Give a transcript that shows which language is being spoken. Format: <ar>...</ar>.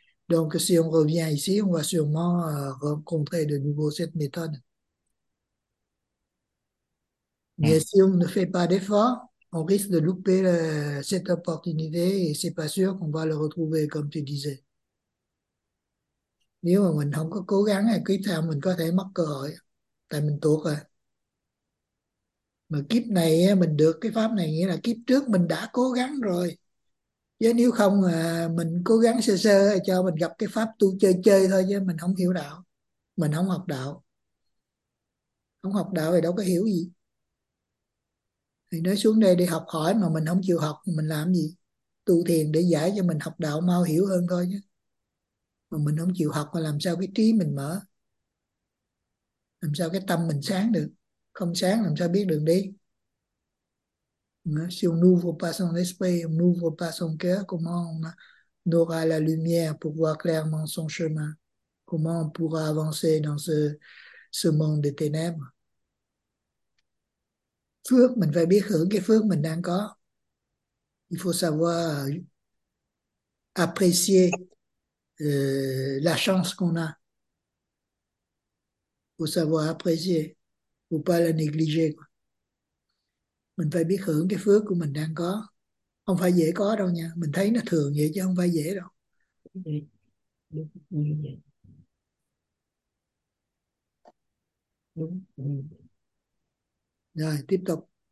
<fr>Donc, si on revient ici, on va sûrement rencontrer de nouveau cette méthode. Mais si on ne fait pas d'efforts, on risque de louper cette opportunité et c'est pas sûr qu'on va le retrouver, comme tu disais.</fr> <vi>Nếu mà mình không có cố gắng thì kiếp sau mình có thể mất cơ hội, tại mình tuột rồi. Mà kiếp này mình được cái pháp này nghĩa là kiếp trước mình đã cố gắng rồi. Chứ nếu không mà mình cố gắng sơ sơ cho mình gặp cái pháp tu chơi chơi thôi, chứ mình không hiểu đạo, mình không học đạo. Không học đạo thì đâu có hiểu gì. Thì nói xuống đây đi học hỏi mà mình không chịu học thì mình làm gì? Tu thiền để giải cho mình học đạo mau hiểu hơn thôi chứ. Mà mình không chịu học mà làm sao cái trí mình mở? Làm sao cái tâm mình sáng được? Không sáng làm sao biết đường đi?</vi> <fr>Si on n'ouvre pas son esprit, on n'ouvre pas son cœur, comment on aura la lumière pour voir clairement son chemin? Comment on pourra avancer dans ce monde des ténèbres?</fr> <vi>Phước, mình phải biết hưởng cái phước mình đang có.</vi> <fr>Il faut savoir apprécier la chance qu'on a. Faut savoir apprécier, faut pas la négliger.</fr> <vi>Mình phải biết hưởng cái phước của mình đang có. Không phải dễ có đâu nha. Mình thấy nó thường vậy chứ không phải dễ đâu. Đúng. Rồi, tiếp tục.</vi>